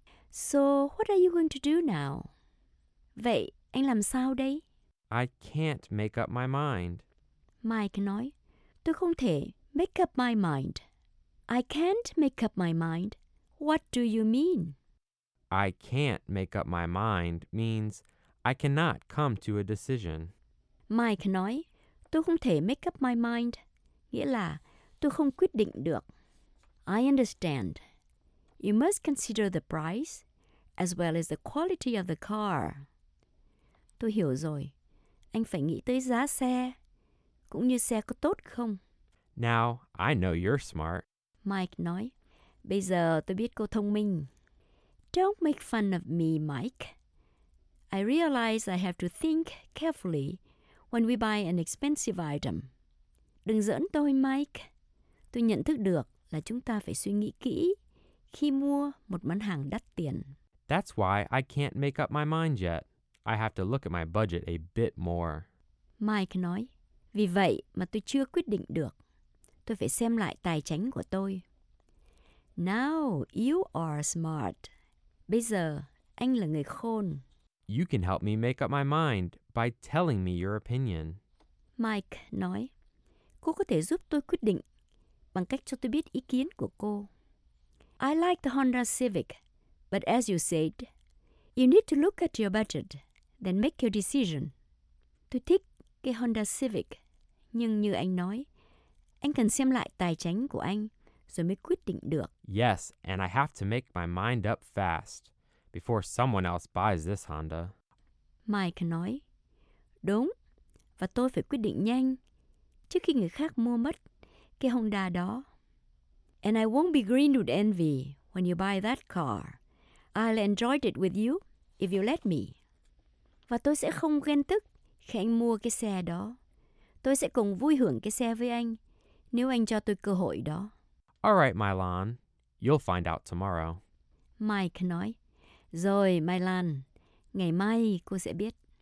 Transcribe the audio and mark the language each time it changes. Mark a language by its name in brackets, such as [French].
[English] So, what are you going to do now? [Vietnamese] Vậy, anh làm sao đây? [English] I can't make up my mind. [Vietnamese] Mike nói, tôi không thể [English] make up my mind. I can't make up my mind. What do you mean? I can't make up my mind means I cannot come to a decision. [Vietnamese] Mike nói, tôi không thể [English] make up my mind, [Vietnamese] nghĩa là tôi không quyết định được. [English] I understand. You must consider the price as well as the quality of the car. [Vietnamese] Tôi hiểu rồi. Anh phải nghĩ tới giá xe, cũng như xe có tốt không. [English] Now, I know you're smart. [Vietnamese] Mike nói, bây giờ tôi biết cô thông minh. [English] Don't make fun of me, Mike. I realize I have to think carefully when we buy an expensive item. [Vietnamese] Đừng giỡn tôi, Mike. Tôi nhận thức được là chúng ta phải suy nghĩ kỹ khi mua một món hàng đắt tiền. [English] That's why I can't make up my mind yet. I have to look at my budget a bit more. [Vietnamese] Mike nói, vì vậy mà tôi chưa quyết định được. Tôi phải xem lại tài chính của tôi. [English] Now you are smart. [Vietnamese] Bây giờ, anh là người khôn. [English] You can help me make up my mind by telling me your opinion. [Vietnamese] Mike nói, cô có thể giúp tôi quyết định bằng cách cho tôi biết ý kiến của cô. [English] I like the Honda Civic, but as you said, you need to look at your budget, then make your decision. [Vietnamese] Tôi thích cái Honda Civic, nhưng như anh nói, anh cần xem lại tài chính của anh. Rồi mới quyết định được. [English] Yes, and I have to make my mind up fast before someone else buys this Honda. [Vietnamese] Mike nói, đúng, và tôi phải quyết định nhanh trước khi người khác mua mất cái Honda đó. [English] And I won't be green with envy when you buy that car. I'll enjoy it with you if you let me. [Vietnamese] Và tôi sẽ không ghen tức khi anh mua cái xe đó. Tôi sẽ cùng vui hưởng cái xe với anh nếu anh cho tôi cơ hội đó. [English] All right, Mylan. You'll find out tomorrow. [Vietnamese] Mike nói, rồi, Mylan. Ngày mai cô sẽ biết.